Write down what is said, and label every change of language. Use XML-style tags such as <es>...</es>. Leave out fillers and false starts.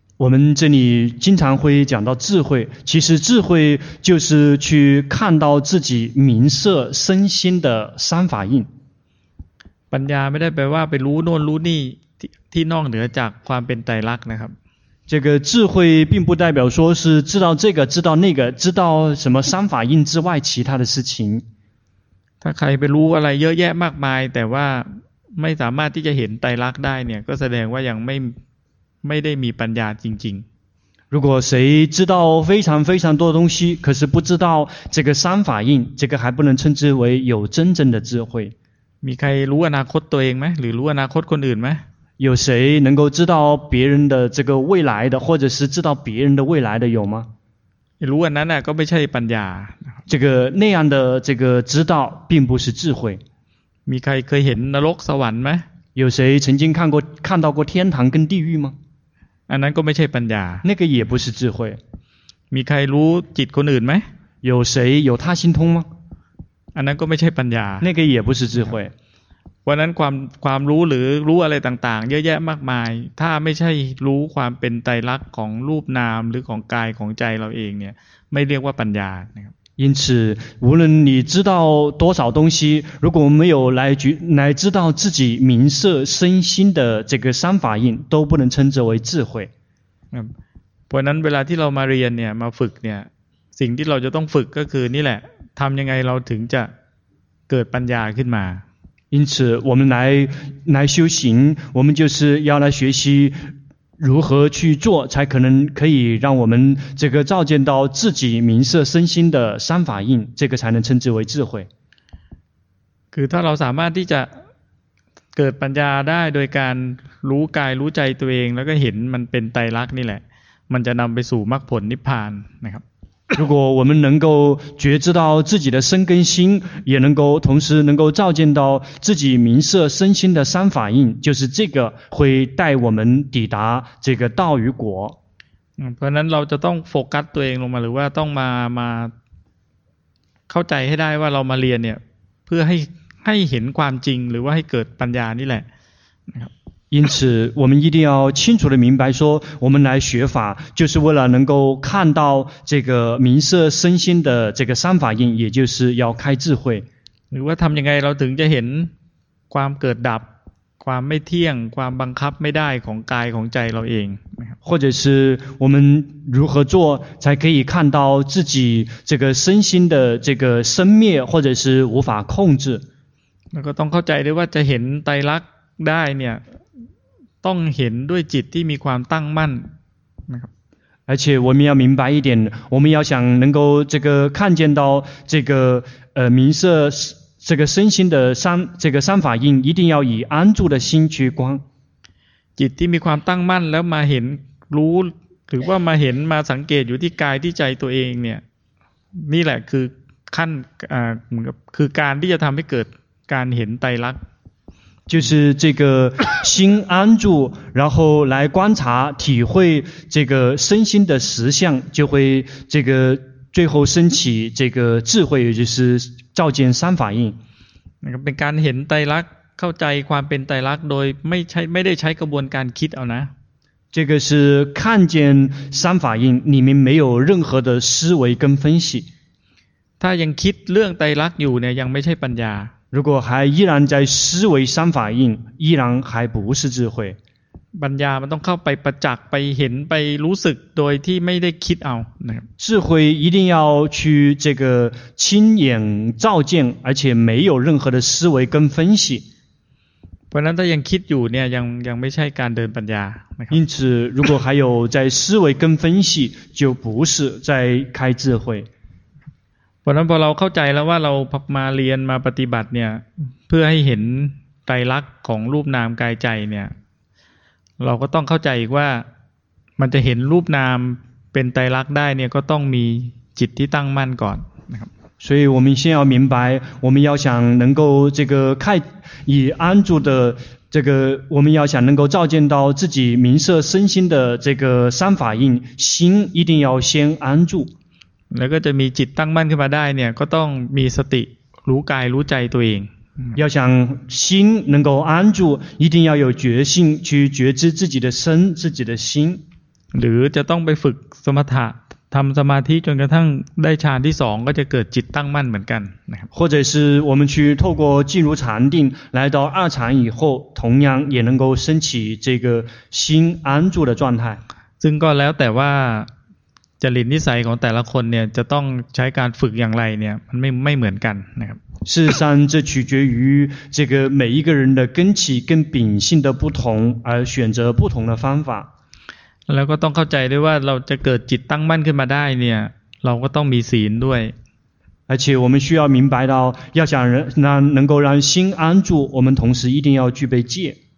<zh>我们这里经常会讲到智慧，其实智慧就是去看到自己名色身心的三法印。</zh> <th>ปัญญาไม่ได้แปลว่าไปรู้โน่นรู้นี่ที่นอกเหนือจากความเป็นไตรลักษณ์นะครับ。</th> <zh>这个智慧并不代表说是知道这个知道那个知道什么三法印之外其他的事情。</zh> <th>ถ้าใครไปรู้อะไรเยอะแยะมากมายแต่ว่าไม่สามารถที่จะเห็นไตรลักษณ์ได้เนี่ยก็แสดงว่ายังไม่ได้มีปัญญาจริง</th> <zh>ๆ如果谁知道非常非常多的东西可是不知道这个三法印这个还不能称之为有真正的智慧</zh> <th>มีใครรู้อนาคตตัวเองไหมหรือรู้อนาคตคนอื่นไหม</th> <zh>有谁能够知道别人的这个未来的或者是知道别人的未来的有吗</zh> <th>รู้อันนั้นก็ไม่ใช่ปัญญา</th> <zh>这个那样的这个知道并不是智慧</zh> <th>มีใครเคยเห็นนรกสวรรค์ไหม</th> <zh>有谁曾经看到过天堂跟地狱吗</zh> <th>อันนั้นก็ไม่ใช่ปัญญา</th> <zh>那个也不是智慧</zh> <th>มีใครรู้จิตคนอื่นไหม</th> <zh>有谁有他心通吗</zh> <th>อันนั้นก็ไม่ใช่ปัญญา</th> <zh>那个也不是智慧</zh> <th>วันนั้นความรู้หรือรู้อะไรต่างๆเยอะแยะมากมายถ้าไม่ใช่รู้ความเป็นไตรลักษณ์ของรูปนามหรือของกายของใจเราเองเนี่ยไม่เรียกว่าปัญญานะครับ</th> <zh>因此无论你知道多少东西如果没有来知道自己名色身心的这个三法印都不能称之为智慧所以</zh> <th>เวลาที่เรามาเรียนเนี่ยมาฝึกเนี่ยสิ่งที่เราจะต้องฝึกก็คือนี่แหละทำยังไงเราถึงจะเกิดปัญญาขึ้นมา</th> <zh>因此我们来修行我们就是要来学习如何去做才可能可以让我们这个照见到自己名色身心的三法印这个才能称之为智慧</zh> <th>คือถ้าเราสามารถที่จะเกิดปัญญาได้โดยการรู้กายรู้ใจตัวเองแล้วก็เห็นมันเป็นไตรลักษณ์นี่แหละมันจะนำไปสู่มรรคผลนิพพานนะครับ</th> <zh>如果我们能够觉知到自己的身跟心也能够同时能够照见到自己名色身心的三法印就是这个会带我们抵达这个道与果</zh> <th>เพราะนั้นเราจะต้องโฟกัสตัวเองลงมาหรือว่าต้องมาเข้าใจให้ได้ว่าเรามาเรียนเนี่ยเพื่อให้เห็นความจริงหรือว่าให้เกิดปัญญานี่แหละนะครับ</th> <zh>因此我们一定要清楚地明白说我们来学法就是为了能够看到这个名色身心的这个三法印也就是要开智慧</zh> <th>หรือว่าทำยังไงเราถึงจะเห็นความเกิดดับความไม่เที่ยงความบังคับไม่ได้ของกายของใจเราเอง</th> <zh>或者是我们如何做才可以看到自己这个身心的这个生灭或者是无法控制</zh> <th>แล้วก็ต้องเข้าใจด้วยว่าจะเห็นไตรลักษณ์ได้เนี่ยต้องเห็นด้วยจิตที่มีความตั้งมั่นนะครับ</th> <zh>而且我们要明白一点我们要想能够这个看见到这个名色这个身心的三这个三法印一定要以安住的心去观</zh> <th>จิตที่มีความตั้งมั่นแล้วมาเห็นรู้หรือว่ามาเห็นมาสังเกตอยู่ที่กายที่ใจตัวเองเนี่ยนี่แหละคือขั้นคือการที่จะทำให้เกิดการเห็นไตรลักษณ์</th> <zh>就是这个心安住然后来观察体会这个身心的实相就会这个最后升起这个智慧也就是照见三法印那个</zh> <th>เป็นการเห็นไตรลักษณ์เข้าใจความเป็นไตรลักษณ์โดยไม่ได้ใช้กระบวนการคิดเอานะ</th> <zh>这个是看见三法印里面没有任何的思维跟分析</zh> <th>ถ้ายังคิดเรื่องไตรลักษณ์อยู่เนี่ยยังไม่ใช่ปัญญา</th> <zh>如果还依然在思维三法印依然还不是智慧</zh> <th>ปัญญามันต้องเข้าไปประจักษ์ไปเห็นไปรู้สึกโดยที่ไม่ได้คิดเอา</th> <zh>智慧一定要去这个亲眼照见而且没有任何的思维跟分析</zh> <th>เพราะนั้นถ้ายังคิดอยู่เนี่ยยังไม่ใช่การเดินปัญญา</th> <zh>因此如果还有在思维跟分析就不是在开智慧</zh> <th>เพราะนั้นพอเราเข้าใจแล้วว่าเรามาเรียนมาปฏิบัติเนี่ยเพื่อให้เห็นไตรลักษณ์ของรูปนามกายใจเนี่ยเราก็ต้องเข้าใจอีกว่ามันจะเห็นรูปนามเป็นไตรลักษณ์ได้เนี่ยก็ต้องมีจิตที่ตั้งมั่นก่อนนะครับ</th> <zh>所以我们先要明白我们要想能够这个看以安住的这个我们要想能够照见到自己明色身心的这个三法印心一定要先安住</zh> <th>แล้วก็จะมีจิตตั้งมั่นขึ้นมาได้เนี่ยก็ต้องมีสติรู้กายรู้ใจตัวเอง</th> <zh>要想心能够安住一定要有觉性去觉知自己的身自己的心</zh> <th>หรือจะต้องไปฝึกสมถะทำสมาธิจนกระทั่งได้ฌานที่สองก็จะเกิดจิตตั้งมั่นเหมือนกันนะครับ</th> <zh>或者是我们去透过进入禅定来到二禅以后同样也能够升起这个心安住的状态</zh> <th>ซึ่งก็แล้วแต่ว่าจริตนิสัยของแต่ละคนเนี่ยจะต้องใช้การฝึกอย่างไรเนี่ยมันไม่เหมือนกันนะครับ</th> <zh>事实上这取决于这个每一个人的根器跟秉性的不同而选择不同的方法</zh> <th>แล้วก็ต้องเข้าใจด้วยว่าเราจะเกิดจิตตั้งมั่นขึ้นมาได้เนี่ยเราก็ต้องมีศีลด้วย</th> <zh>而且我们需要明白到要想能够让心安住我们同时一定要具备戒</zh>